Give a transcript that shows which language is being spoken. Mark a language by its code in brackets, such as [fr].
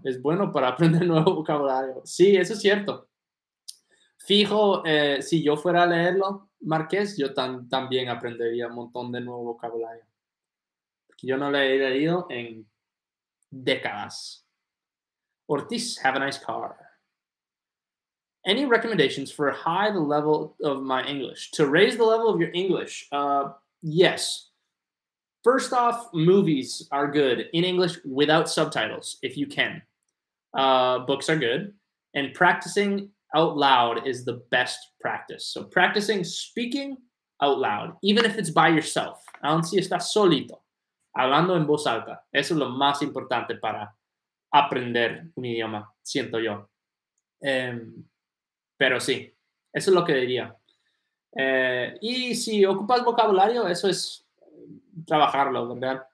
[es] Es bueno para aprender nuevo vocabulario. Sí, eso es cierto. Fijo, si yo fuera a leerlo, Marqués, yo también aprendería un montón de nuevo vocabulario. Yo no lo he leído en décadas. [en] Ortiz, have a nice car. Any recommendations for high the level of my English? To raise the level of your English, yes. First off, movies are good in English without subtitles, if you can. Books are good. And practicing out loud is the best practice. So practicing speaking out loud, even if it's by yourself. [es] Aun si estás solito, hablando en voz alta. Eso es lo más importante para aprender un idioma, siento yo. Pero sí, eso es lo que diría. Y si ocupas vocabulario, eso es trabajarlo, ¿verdad?